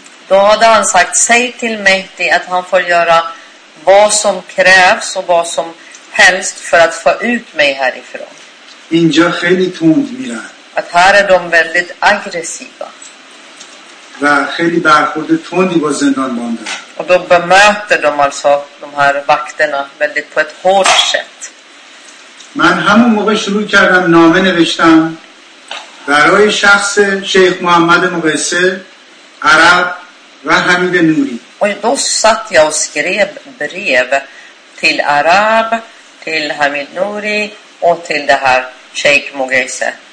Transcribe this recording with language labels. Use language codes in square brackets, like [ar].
[sv] Då hade han sagt, säg till Mehdi att han får göra vad som krävs och vad som helst för att få ut mig härifrån. [fa] اینجا خیلی تند میرن. [sv] Att här är de väldigt aggressiva. [fa] و خیلی برخورد تندی با زندانبان دارن. [sv] Och då bemöter de alltså de här vakterna väldigt på ett hårt sätt. [fa] من همون موقع شروع کردم نامه نوشتم برای شخص شیخ محمد مقصه عرب و حمید نوری. [sv] Och då satt jag och skrev brev till Arab, till Hamid Nouri och till det här Sheikh Mugaysa.